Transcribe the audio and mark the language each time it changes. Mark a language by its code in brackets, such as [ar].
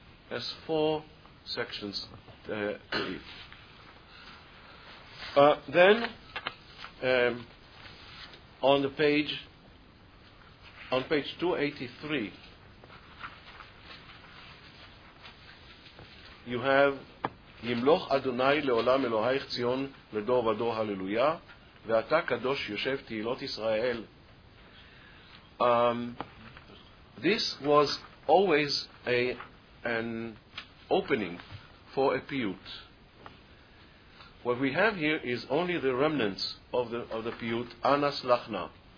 [en] As four sections to read. Then, on page 283, you have [he] ימלוך אדוני לעולם אלוהיך ציון לדור ודור הללויה, ואתה קדוש יושב תהילות ישראל. [en] This was always an opening for a piyut. What we have here is only the remnants of the piyut, Anas Lachna.